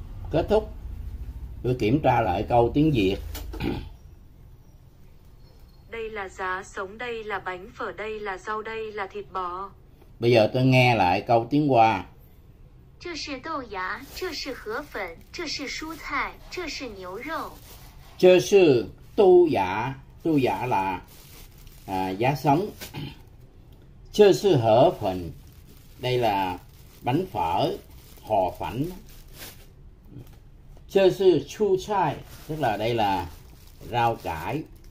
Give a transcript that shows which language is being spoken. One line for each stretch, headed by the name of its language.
Vietnamese: Kết thúc, tôi kiểm tra lại câu tiếng Việt. Đây là giá sống, đây là bánh phở, đây là rau, đây là thịt bò. Bây giờ tôi nghe lại câu tiếng Hoa.
Chinese: 这是豆芽，这是河粉，这是蔬菜，这是牛肉。这是豆芽,
Vietnamese: tu giả là giá sống.
Chinese: 这是河粉,
Vietnamese: đây là bánh phở, hò phẩm.
Chinese: 这是蔬菜,
Vietnamese: tức là đây là rau cải.